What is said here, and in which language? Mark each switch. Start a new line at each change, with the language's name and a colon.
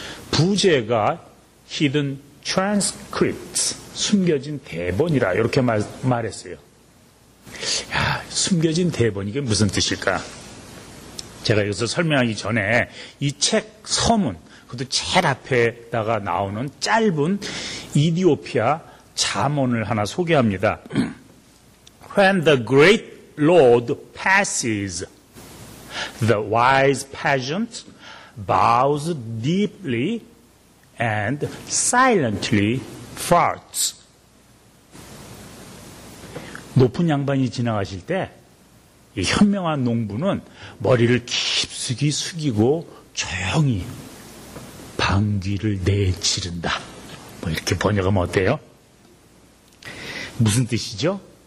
Korean: 부제가 Hidden Transcripts, 숨겨진 대본이라 이렇게 말했어요. 야, 숨겨진 대본 이게 무슨 뜻일까? 제가 여기서 설명하기 전에 이 책 서문, 그것도 책 앞에다가 나오는 짧은 이디오피아 자문을 하나 소개합니다.
English: When the great Lord passes, the wise peasant bows deeply and silently farts.
Korean: 높은 양반이 지나가실 때 이 현명한 농부는 머리를 깊숙이 숙이고 조용히 방귀를 내지른다. 뭐 이렇게 번역하면 어때요? 무슨 뜻이죠?